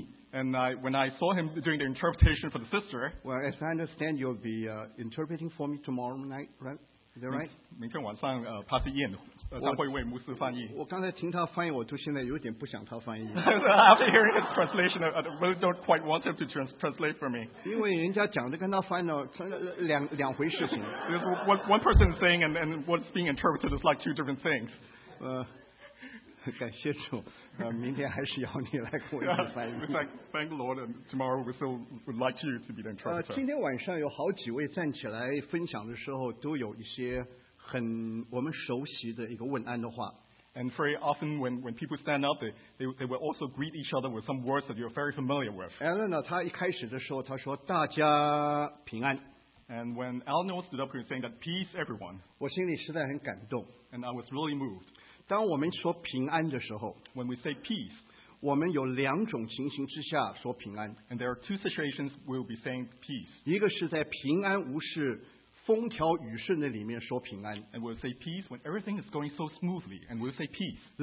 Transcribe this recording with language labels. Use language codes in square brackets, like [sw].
[en] And when I saw him doing the interpretation for the sister, well, as I understand, you'll be interpreting for me tomorrow night, right? Is that right? [zh] 明天晚上, Pastor Ian, 张慧伟牧师翻译。我刚才听他翻译, 我就现在有点不想他翻译。 [en] After hearing his translation, I really don't quite want him to translate for me. [zh] 因为人家讲的跟他翻译, 两回事情。 [en] What one person is saying and what's being interpreted is like two different things. [zh] 感谢主, 明天还是要你来给我翻译。 [en] In fact, thank the Lord, and tomorrow we still would like you to be the interpreter. [zh] 今天晚上有好几位站起来分享的时候, 都有一些很我们熟悉的一个问安的话。 [en] And very often when people stand up, they will also greet each other with some words that you're very familiar with. [zh] Eleanor, 她一开始的时候, 她说大家平安。 [en] And when Eleanor stood up, he was saying that peace everyone. [zh] 我心里实在很感动。 [en] And I was really moved. [zh] 当我们说平安的时候, [en] when we say peace, [zh] 我们有两种情形之下说平安。 [en] And there are two situations we will be saying peace. [zh] 一个是在平安无事, 风调雨顺的里面说平安, [en] and we'll say peace when everything is going so smoothly, and we'll say peace.